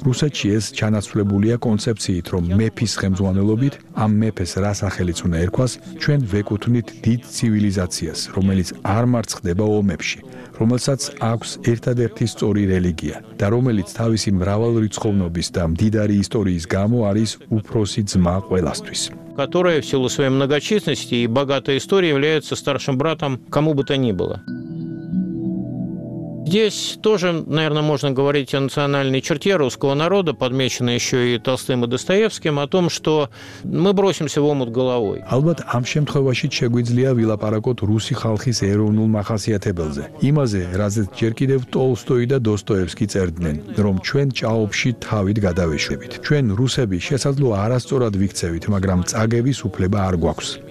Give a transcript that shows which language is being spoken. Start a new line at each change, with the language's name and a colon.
Georgian: რუსეთში ეს ჩანაცვლებულია კონცეფციით, რომ მეფის ხელმძღვანელობით, ამ მეფეს რა სახელიც უნდა ერქვას, ჩვენ ვეკუთვნით დიდ ცივილიზაციას, რომელიც არ მარცხდება ომებში, რომელსაც აქვს ერთადერთი სწორი რელიგია და რომელიც თავისი მრავალრიცხოვნობის და მდიდარი ისტორიის გამო არის უფროსი ძმა ყველასთვის.
Russian: Которая в силу своей многочисленности и богатой истории является старшим братом кому бы то ни было. Здесь тоже, наверное, можно говорить о национальной черте русского народа, подмеченной еще и Толстым и Достоевским, о том, что мы бросимся в омут головой.
Georgian: Албат, ам შემთხვევაში შეგვიძლია ვილაპარაკოთ რუსი ხალხის ეროვნულ მახასიათებელზე. Имазе, разет ჯერ კიდევ Толстой და Достоевსკი წერდნენ, რომ ჩვენ ჭაობში თავით გადავეშვებით. ჩვენ რუსები შესაძლოა არასწორად ვიქცევით, მაგრამ წაგების უფლება არ გვაქვს.